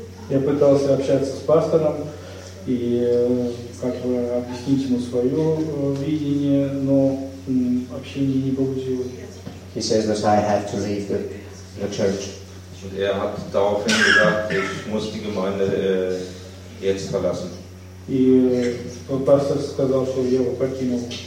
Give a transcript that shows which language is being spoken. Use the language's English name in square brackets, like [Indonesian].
[Russian] Я пытался общаться с пастором и как бы объяснить ему свое видение, но общение не получилось. [English] He says that I have to leave the church. [German] Und er hat daraufhin gesagt, ich muss die Gemeinde jetzt verlassen. [Russian] И пастор сказал, что я его покинул.